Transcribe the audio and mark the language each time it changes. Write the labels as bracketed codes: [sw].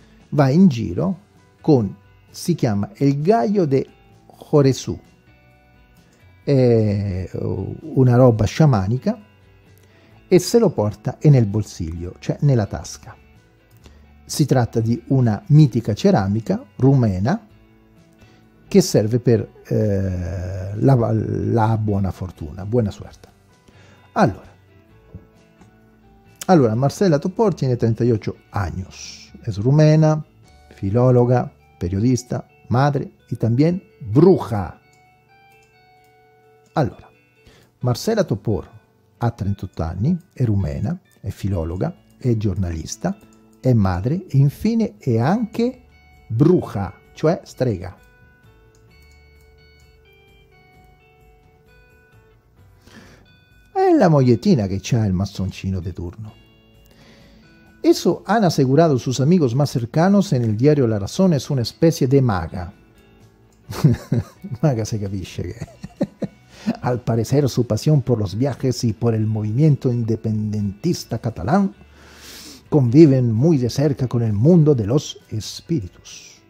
[it] va in giro con, si chiama [es] El Gallo de Joresu, [it] è una roba sciamanica, e se lo porta è nel bolsillo, cioè nella tasca. Si tratta di una mitica ceramica rumena che serve per la buona fortuna, buona sorte. Allora, [es] Marcela Topor tiene 38 años. Es rumena, filóloga, periodista, madre y también bruja. [it] Allora, Marcela Topor ha 38 anni, è rumena, è filologa, è giornalista, è madre e infine è anche bruja, cioè strega. È la mogliettina che c'ha il massoncino di turno. [es] Eso han asegurado sus amigos más cercanos en el diario La Razón es una especie de maga. [it] Maga se capisce che... [es] Al parecer, su pasión por los viajes y por el movimiento independentista catalán conviven muy de cerca con el mundo de los espíritus.